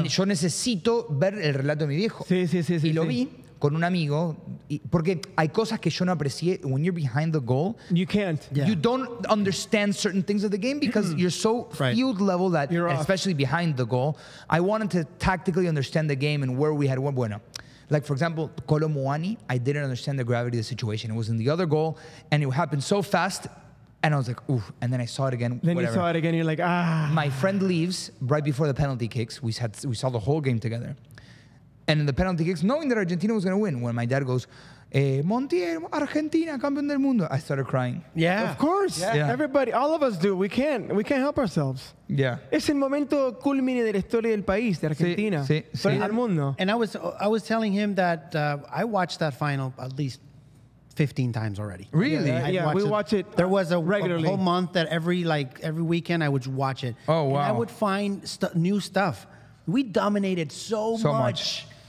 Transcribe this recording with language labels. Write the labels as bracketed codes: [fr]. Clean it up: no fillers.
[es] Yo necesito ver el relato de mi viejo. Sí, sí, sí. Y sí, lo sí. vi con un amigo, y, porque hay cosas que yo no aprecié. [en] When you're behind the goal, you can't. Yeah. You don't understand certain things of the game because you're so field level that, you're especially off. Behind the goal. I wanted to tactically understand the game and where we had one. [es] Bueno. [en] Like, for example, Colomuani, I didn't understand the gravity of the situation. It was in the other goal, and it happened so fast, and I was like, ooh, and then I saw it again. Then whatever. You saw it again, you're like, ah. My friend leaves right before the penalty kicks. We saw the whole game together. And in the penalty kicks, knowing that Argentina was going to win, when my dad goes, Montiel, Argentina, [es] campeón del mundo, [en] I started crying. Yeah. Of course. Yeah. Yeah. Everybody, all of us do. We can't help ourselves. Yeah. [es] Es el momento culmine de la historia del país, de Argentina. Sí, sí, para sí. el mundo. [en] And I was telling him that I watched that final at least 15 times already. Really? We watch it There was a, regularly. A whole month that every weekend I would watch it. Oh, wow. And I would find new stuff. We dominated so much.